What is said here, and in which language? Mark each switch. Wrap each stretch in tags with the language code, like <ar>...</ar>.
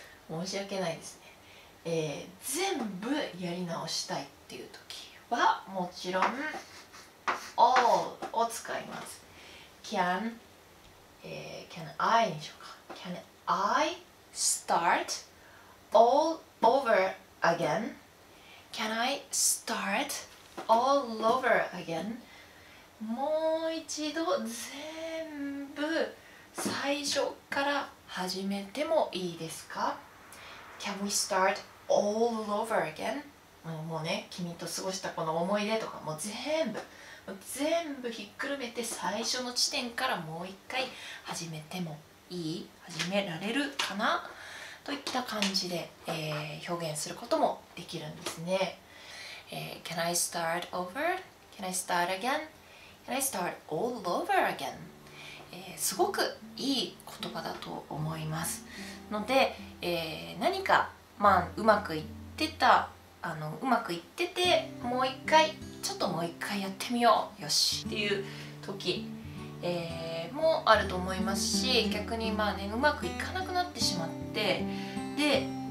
<ja>申し訳ないですね。全部やり直したいっていう時はもちろん All を使います。</ja> <en>Can、Can I</en> <ja>にしようか。</ja> <en>Can I start all over again? Can I start all over again?</en> <ja>もう一度全部最初から始めてもいいですか？</ja> <en>Can we start all over again?</en> <ja>もうね、君と過ごしたこの思い出とかもう全部、もう全部ひっくるめて最初の地点からもう一回始めてもいい？始められるかな？といった感じで、表現することもできるんですね。</ja> <en>Can I start over? Can I start again? Can I start all over again?</en> <ja>すごくいい言葉だと思いますので、何か、まあ、うまくいってた、うまくいってて、もう一回ちょっともう一回やってみよう、よしっていう時、もあると思いますし、逆にまあ、ね、うまくいかなくなってしまって、で、</ja>